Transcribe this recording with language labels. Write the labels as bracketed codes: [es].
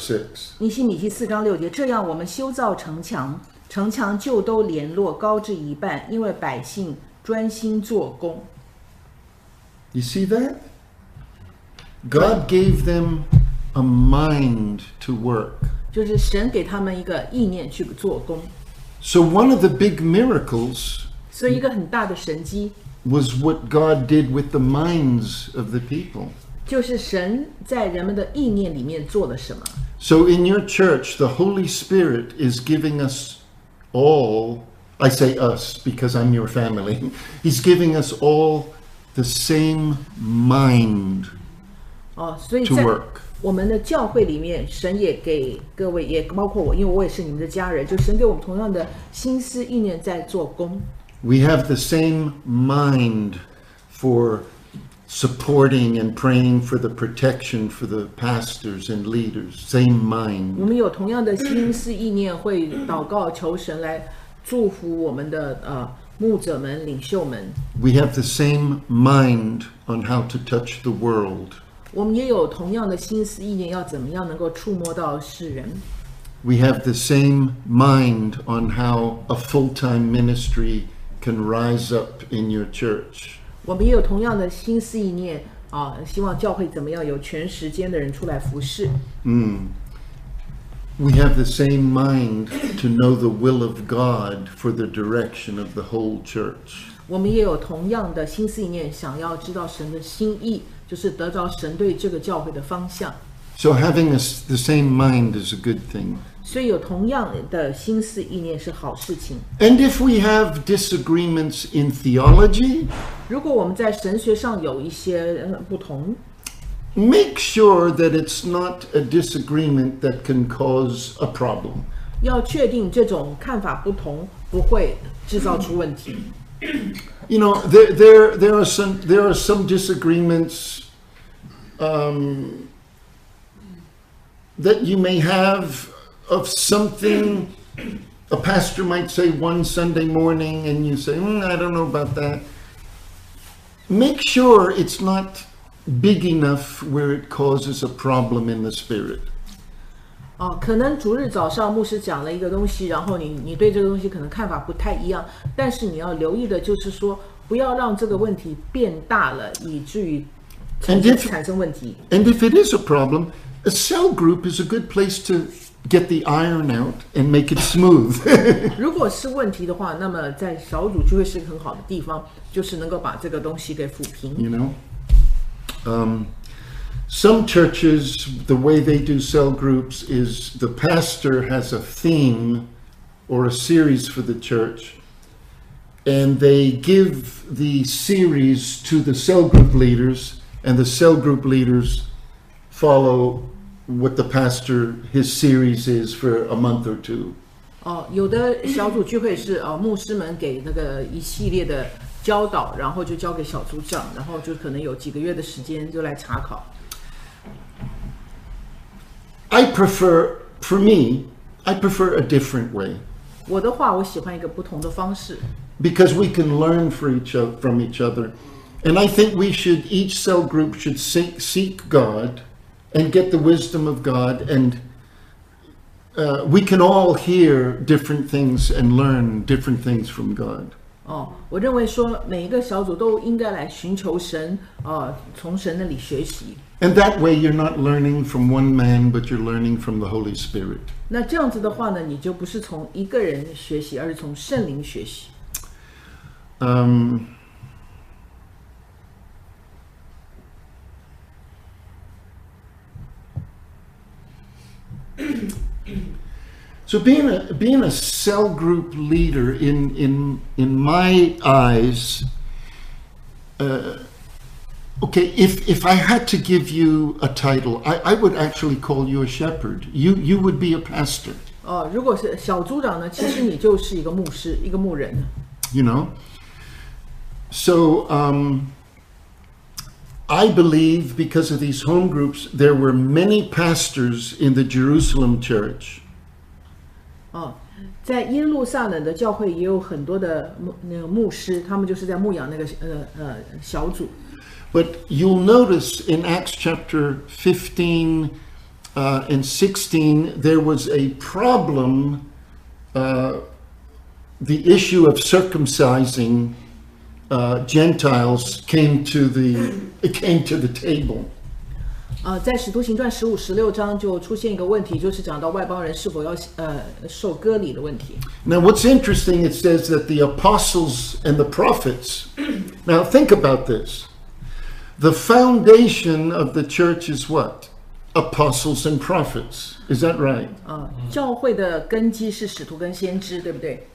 [zh] 6. 尼希米记四章六节，这样我们修造城墙，城墙就都联络，高至一半，因为百姓专心做工。 [en] You see that? God gave them a mind to work. [zh] 就是神给他们一个意念去做工。 [en] So one of the big miracles. [zh] 所以一个很大的神迹。 [en] Was what God did with the minds of the people. [zh] 就是神在人们的意念里面做了什么。 [en] So in your church, the Holy Spirit is giving us all. I say us because I'm your family. He's giving us all the same mind to work. [zh] 我们的教会里面，神也给各位，也包括我，因为我也是你们的家人，就神给我们同样的心思意念在做工。 [en] We have the same mind for supporting and praying for the protection for the pastors and leaders. Same mind. [zh] 我们有同样的心思意念，会祷告求神来。祝福我们的牧者们、领袖们。 [en] We have the same mind on how to touch the world. [zh] 我们也有同样的心思意念，要怎么样能够触摸到世人。 [en] We have the same mind on how a full-time ministry can rise up in your church. [zh] 我们也有同样的心思意念希望教会怎么样有全时间的人出来服事。 [en] We have the same mind to know the will of God for the direction of the whole church. [zh] 我们也有同样的心思意念，想要知道神的心意，就是得着神对这个教会的方向。 [en] So having the same mind is a good thing. [zh] 所以有同样的心思意念是好事情。 [en] And if we have disagreements in theology, [zh] 如果我们在神学上有一些不同。 [en] Make sure that it's not a disagreement that can cause a problem. [zh] 要确定这种看法不同不会制造出问题。 [en] you know, there are some disagreements that you may have of something a pastor might say one Sunday morning, and you say, I don't know about that. Make sure it's not big enough where it causes a problem in the spirit. [zh] 可能主日早上牧师讲了一个东西，然后你对这个东西可能看法不太一样，但是你要留意的就是说，不要让这个问题变大了，以至于产生问题。 [en] And if it is a problem, a cell group is a good place to get the iron out and make it smooth. [zh] 如果是问题的话，那么在小组聚会是很好的地方，就是能够把这个东西给抚平。 [en] You know, some churches, the way they do cell groups is the pastor has a theme or a series for the church, and they give the series to the cell group leaders, and the cell group leaders follow what the pastor, his series is for a month or two. [zh] 有的小组聚会是牧师们给那个一系列的教导，然后就交给小组长，然后就可能有几个月的时间就来查考。 [en] I prefer, for me, I prefer a different way. [zh] 我的话，我喜欢一个不同的方式。 [en] Because we can learn from each other. And I think we should, each cell group should seek God and get the wisdom of God. And we can all hear different things and learn different things from God. [zh] 我认为说每一个小组都应该来寻求神，从神那里学习。 [en] And that way you're not learning from one man, but you're learning from the Holy Spirit. [zh] 那这样子的话呢，你就不是从一个人学习，而是从圣灵学习。 [en] So being a cell group leader in my eyes, okay, if I had to give you a title, I would actually call you a shepherd. You would be a pastor. [zh] 如果是小组长呢，其实你就是一个牧师，一个牧人。 [en] You know, so I believe because of these home groups, there were many pastors in the Jerusalem church. [zh] 在耶路撒冷的教会也有很多的那个牧师，他们就是在牧养那个小组。 [en] But you'll notice in Acts chapter 15 and 16, there was a problem, the issue of circumcising Gentiles came to the table. [zh] 在使徒行传15、16章就出现一个问题，就是讲到外邦人是否要受割礼的问题。 [en] Now what's interesting, it says that the apostles and the prophets, now think about this. The foundation of the church is what? Apostles and prophets. Is that right? [zh] 教会的根基是使徒跟先知，对不对？